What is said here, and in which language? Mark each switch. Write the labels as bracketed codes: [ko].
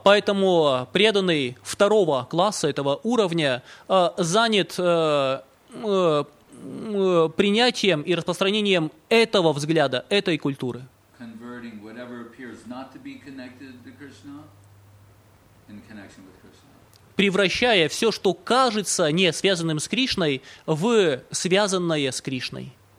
[ru] Поэтому преданный второго класса этого уровня занят принятием и распространением этого взгляда, этой культуры. [en] Converting whatever appears not to be connected to Krishna in connection with Krishna. [ru] Превращая все, что кажется не связанным с Кришной, в связанное с Кришной.